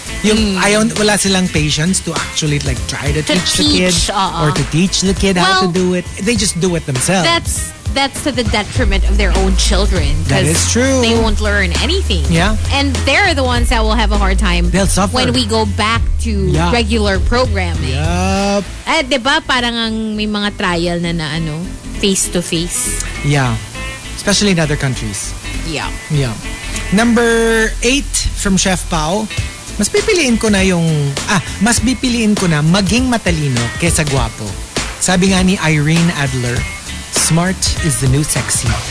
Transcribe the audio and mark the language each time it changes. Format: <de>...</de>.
<tl>Yung ayon, wala silang</tl> <en>patience to actually like try to teach the kid or to teach the kid how to do it. They just do it themselves. That's to the detriment of their own children. That is true. They won't learn anything. Yeah. And they're the ones that will have a hard time. They'll suffer. When we go back to regular programming. Yup.</en> <tl>Eh, di ba parang ang may mga trial na ano, face-to-face.</tl> <en>Yeah. Especially in other countries. Yeah. Yeah. Number 8 from Chef Pao.</en> <tl>Mas pipiliin ko na yung... Ah, mas pipiliin ko na maging matalino kesa guwapo. Sabi nga ni</tl> <en>Irene Adler, smart is the new sexy.</en>